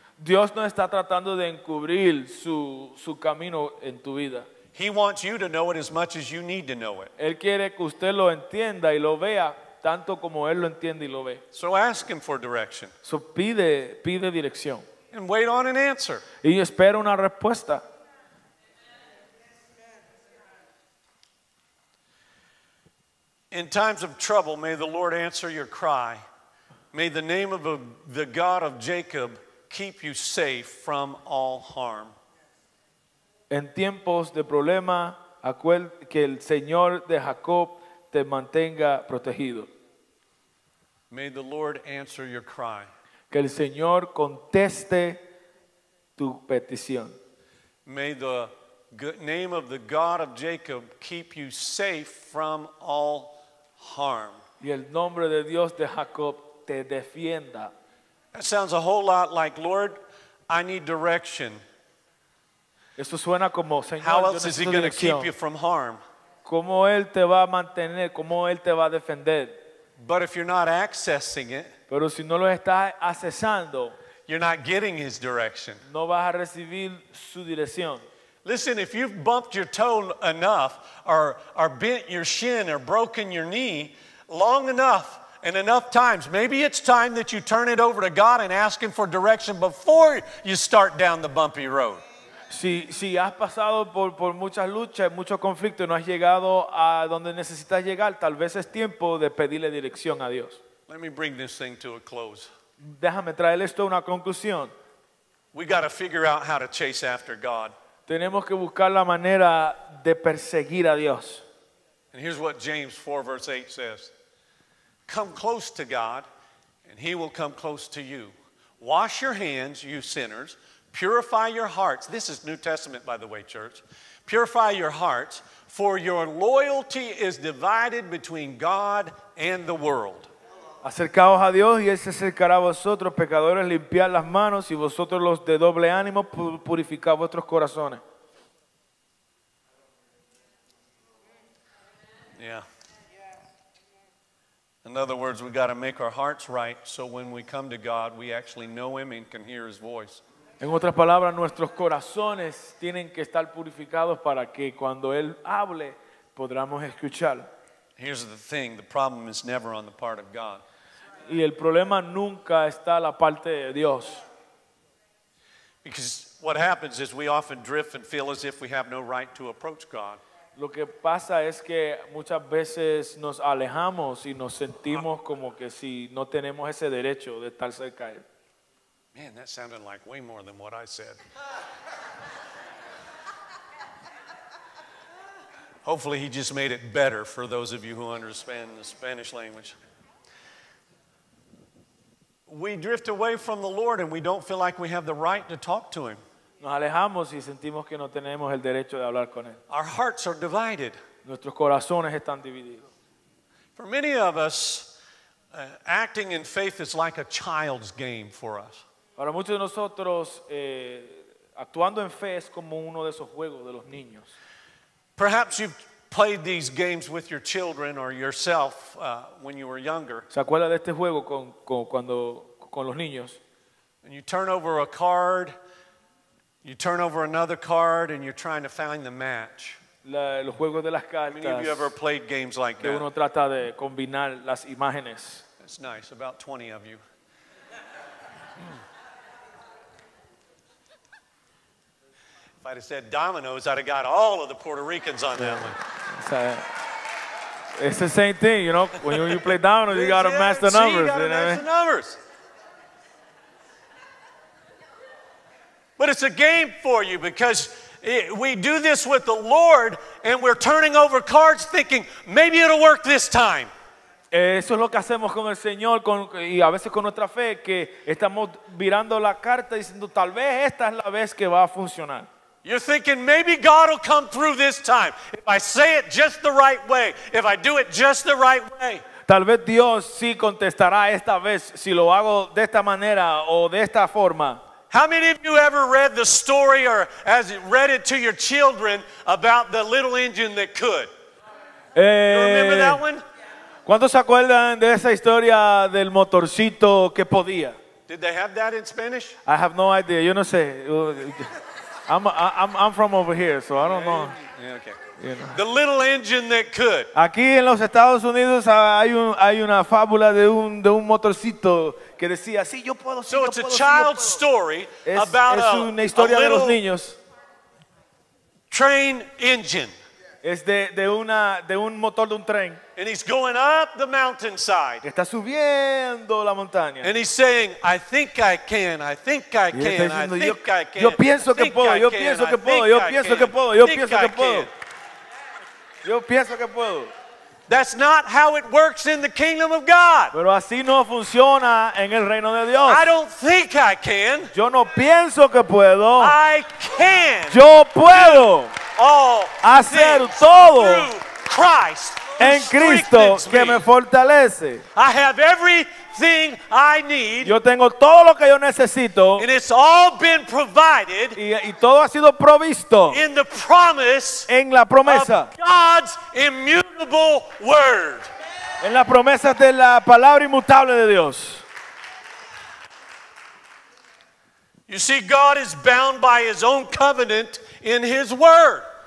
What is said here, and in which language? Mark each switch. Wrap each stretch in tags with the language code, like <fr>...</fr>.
<es>Dios no está tratando de encubrir su camino en tu vida.</es> <en>He wants you to know it as much as you need to know it.</en> <es>Él quiere que usted lo entienda y lo vea tanto como él lo entiende y lo ve.</es> <en>So ask him for direction.</en> <es>So pide dirección.</es> <en>And wait on an answer.</en> <es>Y espera una respuesta.</es> <en>In times of trouble, may the Lord answer your cry. May the name of the God of Jacob keep you safe from all harm.</en> <es>En tiempos de problema, que el Señor de Jacob te mantenga protegido.</es> <en>May the Lord answer your cry.</en> <es>Que el Señor conteste tu petición.</es> <en>May the name of the God of Jacob keep you safe from all harm.</en> <es>Y el nombre de Dios de Jacob te defienda.</es> <en>That sounds a whole lot like, Lord, I need direction.</en> <es>Esto suena como, Señor,</es> <en>how else is he going to keep you from harm?</en> <es>¿Cómo él te va a mantener? ¿Cómo él te va a defender?</es> <en>But if you're not accessing it,</en> <es>pero si no lo estás accesando,</es> <en>you're not getting his direction.</en> <es>No vas a recibir su dirección.</es> <en>Listen, if you've bumped your toe enough or bent your shin or broken your knee long enough and enough times, maybe it's time that you turn it over to God and ask him for direction before you start down the bumpy road.</en> <es>Si has pasado por muchas luchas, muchos conflictos, no has llegado a donde necesitas llegar, tal vez es tiempo de pedirle dirección a Dios.</es> <en>Let me bring this thing to a close.</en> <es>Déjame traer esto a una conclusión.</es> <en>We got to figure out how to chase after God.</en> <es>Tenemos que buscar la manera de perseguir a Dios.</es> <en>And here's what James 4 verse 8 says. Come close to God and he will come close to you. Wash your hands, you sinners. Purify your hearts. This is New Testament, by the way, church. Purify your hearts, for your loyalty is divided between God and the world.</en> <es>Acercaos a Dios y Él se acercará a vosotros, pecadores, limpiad las manos y vosotros los de doble ánimo purificad vuestros corazones.</es> <en>Yeah. In other words, we got to make our hearts right so when we come to God, we actually know him and can hear his voice.</en> <es>En otras palabras, nuestros corazones tienen que estar purificados para que cuando Él hable, podamos escucharlo.</es> <en>Here's the thing, the problem is never on the part of God.</en> <es>Y el problema nunca está a la parte de Dios.</es> <en>Because what happens is we often drift and feel as if we have no right to approach God.</en> <es>Lo que pasa es que muchas veces nos alejamos y nos sentimos como que si no tenemos ese derecho de estar cerca de Él.</es> <en>Man, that sounded like way more than what I said. Hopefully he just made it better for those of you who understand the Spanish language. We drift away from the Lord and we don't feel like we have the right to talk to him.</en> <es>Nos alejamos y sentimos que no tenemos el derecho de hablar con él.</es> <en>Our hearts are divided.</en> <es>Nuestros corazones están divididos.</es> <en>For many of us, acting in faith is like a child's game for us.</en> <es>Para muchos de nosotros, actuando en fe es como uno de esos juegos de los niños.</es> <en>Perhaps you've played these games with your children or yourself when you were younger.</en> <es>¿Se acuerda de este juego con los niños?</es> <en>And you turn over a card, you turn over another card, and you're trying to find the match.</en> <es>Los juegos de las cartas.</es> <en>Many of you ever played games like that?</en> <es>Uno trata de combinar las imágenes.</es> <en>That's nice, about 20 of you. If I'd have said dominoes, I'd have got all of the Puerto Ricans on that one. It's the same thing, you know. When you play dominoes, you got to match the numbers. You got to match the numbers. But it's a game for you because we do this with the Lord and we're turning over cards thinking, maybe it'll work this time.</en> <es>Eso es lo que hacemos con el Señor y a veces con nuestra fe, que estamos virando la carta diciendo, tal vez esta es la vez que va a funcionar.</es> <en>You're thinking, maybe God will come through this time. If I say it just the right way, if I do it just the right way.</en> <es>Tal vez Dios sí contestará esta vez si lo hago de esta manera o de esta forma.</es> <en>How many of you ever read the story or has read it to your children about the little engine that could? You remember that one?</en> <es>¿Cuántos se acuerdan de esa historia del motorcito que podía?</es> <en>Did they have that in Spanish? I have no idea.</en> <es>Yo no sé.</es> <en>I'm from over here, so I don't know. Yeah, okay. You know. The little engine that could.</en> <es>Aquí en los Estados Unidos hay una fábula de un motorcito que decía, sí, yo puedo, sí,</es> <en>so</en> <es>yo</es> <en>it's</en> <es>puedo,</es> <en>a child's</en> <es>sí,</es> <en>story about</en> <es>es una historia</es> <en>a little</en> <es>de los niños.</es> <en>Train engine.</en> <es>Es de un motor de un tren.</es> <en>And he's going up the mountainside.</en> <es>Está subiendo la montaña.</es> <en>And he's saying, I think I can, I think I can,</en> <es>diciendo,</es> <en>I think I can.</en> <es>Yo pienso que puedo, yo pienso que puedo, yo pienso que puedo, yo pienso que puedo. Yo pienso que puedo.</es> <en>That's not how it works in the kingdom of God.</en> <es>Pero así no funciona en el reino de Dios.</es> <en>I don't think I can.</en> <es>Yo no pienso que puedo.</es> <en>I can.</en> <es>Yo puedo. Hacer todo Christ, en Cristo que me fortalece.</es> <en>I have everything I need.</en> <es>Yo tengo todo lo que yo necesito.</es> <en>And it's all been provided.</en> <es>Y todo ha sido provisto.</es> <en>In the promise.</en> <es>En la promesa.</es> <en>Of God's immutable word.</en> <es>En las promesas de la palabra inmutable de Dios.</es> <en>You see, God is bound by his own covenant in his word.</en>